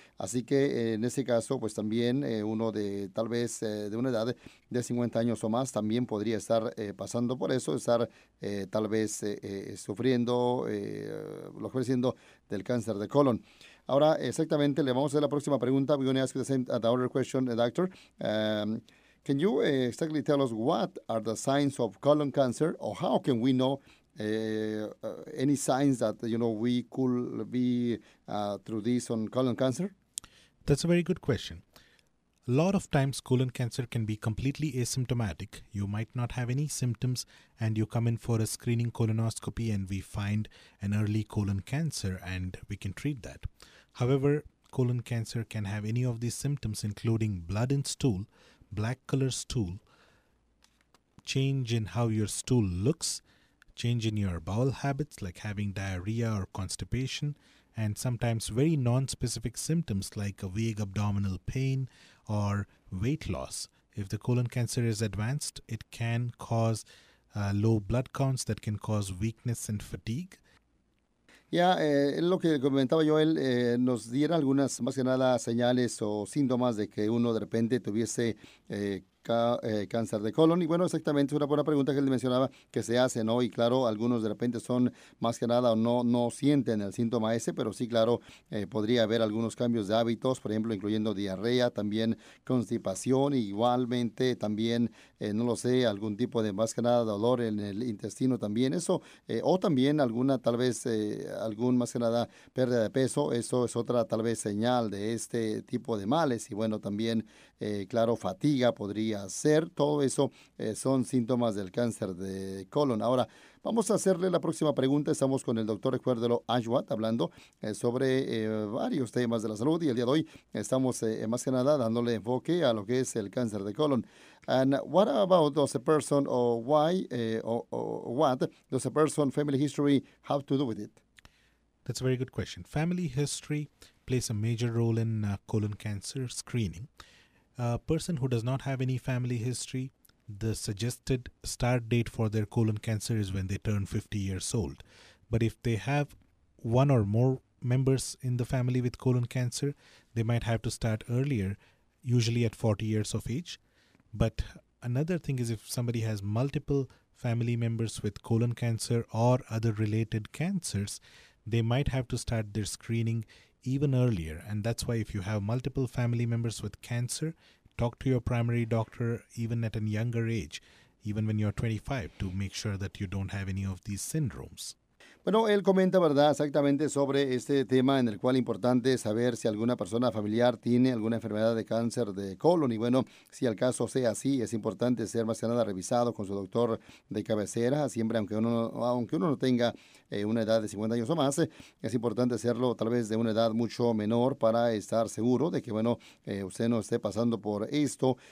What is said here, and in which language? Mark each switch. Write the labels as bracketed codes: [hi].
[es] Así que en este caso, pues también uno de tal vez de una edad de 50 años o más también podría estar pasando por eso, estar tal vez sufriendo, lo que siendo del cáncer de colon. Ahora, exactamente, le vamos a hacer la próxima pregunta. [en] We're going to ask the same other question, doctor. Can you exactly tell us what are the signs of colon cancer, or how can we know any signs that, you know, we could be through this on colon cancer? That's a very good question. A lot of times colon cancer can be completely asymptomatic. You might not have any symptoms and you come in for a screening colonoscopy and we find an early colon cancer and we can treat that. However, colon cancer can have any of these symptoms including blood in stool, black color stool, change in how your stool looks, change in your bowel habits like having diarrhea or constipation, and sometimes very non-specific symptoms like a vague abdominal pain or weight loss. If the colon cancer is advanced, it can cause low blood counts that can cause weakness and fatigue. [es] Ya, lo que comentaba Joel, nos diera algunas, más que nada, señales o síntomas de que uno de repente tuviese cáncer de colon. Y bueno, exactamente, es una buena pregunta que él mencionaba que se hace, ¿no? Y claro, algunos de repente son, más que nada, no sienten el síntoma ese, pero sí, claro, podría haber algunos cambios de hábitos, por ejemplo, incluyendo diarrea, también constipación, igualmente también, no lo sé, algún tipo de, más que nada, dolor en el intestino también, eso, o también alguna, tal vez, algún, más que nada, pérdida de peso, eso es otra, tal vez, señal de este tipo de males. Y bueno, también, claro, fatiga podría hacer, todo eso son síntomas del cáncer de colon. Ahora, vamos a hacerle la próxima pregunta. Estamos con el doctor, recuérdelo, Ashwat, hablando sobre varios temas de la salud. Y el día de hoy estamos, más que nada, dándole enfoque a lo que es el cáncer de colon. [en] And what about does a person or why or what does a person family history have to do with it? That's a very good question. Family history plays a major role in colon cancer screening. A person who does not have any family history, the suggested start date for their colon cancer is when they turn 50 years old. But if they have one or more members in the family with colon cancer, they might have to start earlier, usually at 40 years of age. But another thing is if somebody has multiple family members with colon cancer or other related cancers, they might have to start their screening even earlier. And that's why if you have multiple family members with cancer, talk to your primary doctor even at a younger age, even when you're 25, to make sure that you don't have any of these syndromes. [es] Bueno, él comenta, ¿verdad?, exactamente sobre este tema en el cual importante saber si alguna persona familiar tiene alguna enfermedad de cáncer de colon. Y bueno, si el caso sea así, es importante ser más que nada revisado con su doctor de cabecera. Siempre, aunque uno no tenga una edad de 50 años o más, es importante hacerlo tal vez de una edad mucho menor para estar seguro de que, bueno, usted no esté pasando por esto.